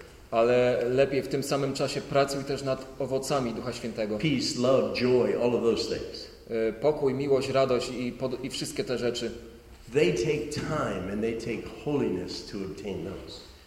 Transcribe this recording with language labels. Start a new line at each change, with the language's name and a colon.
Polish: Ale lepiej w tym samym czasie pracuj też nad owocami Ducha Świętego.
English: Peace, love, joy, all of those things.
Polish: Pokój, miłość, radość i wszystkie te rzeczy.
English: They take time and they take holiness to obtain those.